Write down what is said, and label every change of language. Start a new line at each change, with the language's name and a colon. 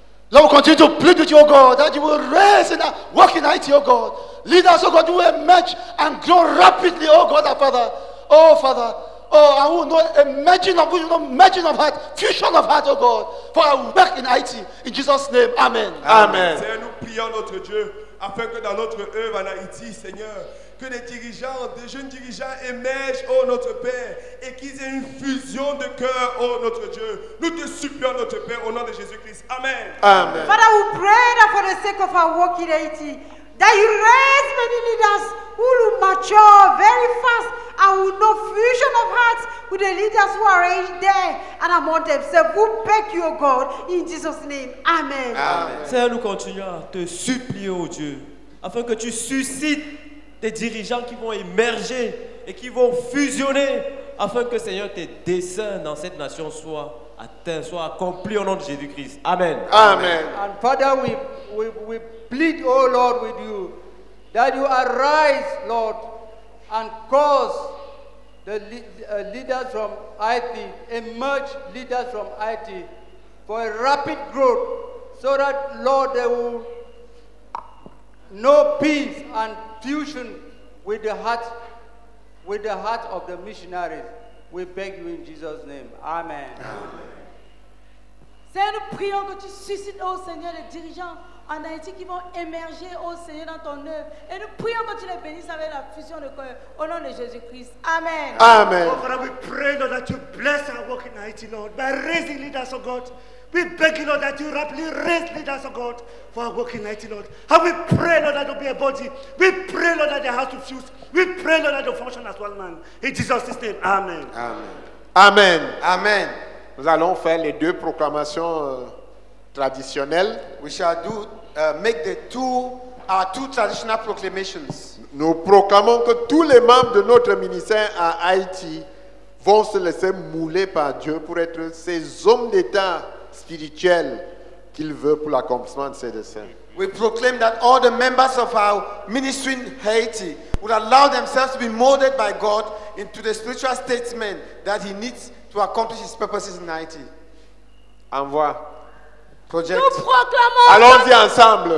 English: Lord, we continue to plead with you, oh God, that you will raise and work in Haiti, oh God. Leaders, oh God, who emerge and grow rapidly, oh God, our Father. Oh, Father. Oh, I will not imagine of you, not imagine of heart, fusion of heart, oh God, for I will work in Haiti. In Jesus' name, amen. Amen.
French: Seigneur, nous prions notre Dieu, afin que dans notre œuvre en Haiti, Seigneur, que des dirigeants, des jeunes dirigeants émergent, oh notre Père, et qu'ils aient une fusion de cœur, oh notre Dieu. Nous te supplions, notre Père, au nom de Jésus-Christ. Amen. Amen.
English: Father, we pray that for the sake of our work in Haiti, that you raise many leaders who will mature very fast and will know fusion of hearts with the leaders who are there and among themselves. We beg you, God, in Jesus' name. Amen. Amen.
French: Seigneur, nous continuons à te supplier, oh Dieu, afin que tu suscites des dirigeants qui vont émerger et qui vont fusionner, afin que, Seigneur, tes desseins dans cette nation soient atteints, soient accomplis au nom de Jésus-Christ. Amen. Amen.
English: And Father, we plead, oh Lord, with you, that you arise, Lord, and cause the leaders from Haiti, emerge leaders from Haiti, for a rapid growth, so that, Lord, they will know peace and fusion with the heart of the missionaries. We beg you in Jesus' name. Amen.
French: Seigneur, nous prions que tu suscites, oh Seigneur, les dirigeants en Haïti qui vont émerger, oh Seigneur, dans ton œuvre. Et nous prions que tu les bénisses avec la fusion de cœur. Au nom de Jésus-Christ. Amen. Amen.
English: Oh, Father, we pray, Lord, that you bless our work in Haïti, Lord, by raising leaders, oh God. We beg you, Lord, that you rapidly raise leaders, oh God, for our work in Haiti, Lord. And we pray, Lord, that there will be a body. We pray, Lord, that the house will fuse. We pray, Lord, that they will function as one man. In Jesus' name, amen. Amen. Amen.
French: Amen. Amen. Nous allons faire les deux proclamations traditionnelles.
English: We shall do make the two two traditional proclamations.
French: Nous proclamons que tous les membres de notre ministère à Haïti vont se laisser mouler par Dieu pour être ces hommes d'état spirituels qu'il veut pour l'accomplissement de ses desseins.
English: We proclaim that all the members of our ministry in Haiti will allow themselves to be molded by God into the spiritual statesman that he needs to accomplish his purposes in Haiti.
French: Envoie.
English: Project.
French: Nous proclamons. Allons-y ensemble.